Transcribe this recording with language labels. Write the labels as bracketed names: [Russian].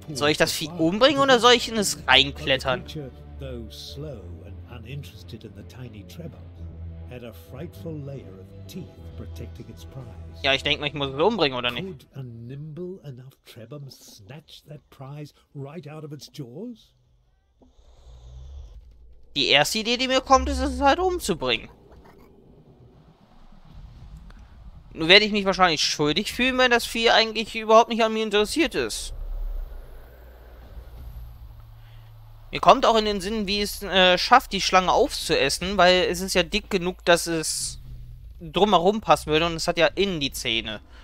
[German] Soll ich das Vieh umbringen oder soll ich in es reinklettern? [English] Though slow and uninterested in the tiny Trevor, had a frightful layer of teeth protecting its prize. [German] Ja, ich denke mal, ich muss es umbringen, oder nicht? [English] Could a nimble enough Trebum snatch that prize right out of its jaws? [German] Die erste Idee, die mir kommt, ist es halt umzubringen. Nun werde ich mich wahrscheinlich schuldig fühlen, wenn das Vieh eigentlich überhaupt nicht an mir interessiert ist. Mir kommt auch in den Sinn, wie es schafft, die Schlange aufzuessen, weil es ist ja dick genug, dass es drumherum passen würde und es hat ja innen die Zähne.